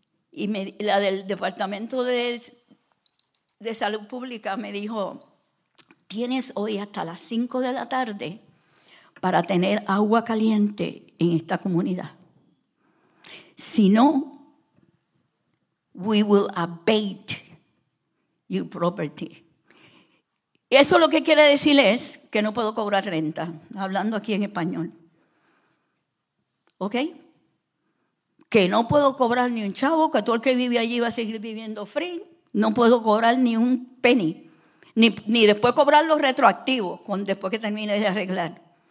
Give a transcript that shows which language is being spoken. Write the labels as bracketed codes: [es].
[es] Y la del Departamento de Salud Pública me dijo, tienes hoy hasta las 5 de la tarde para tener agua caliente en esta comunidad. Si no, [en] we will abate your property. [es] Eso lo que quiere decir es que no puedo cobrar renta, hablando aquí en español. ¿Ok? Que no puedo cobrar ni un chavo, que todo el que vive allí va a seguir viviendo free. No puedo cobrar ni un penny, ni después cobrar los retroactivos, después que termine de arreglar.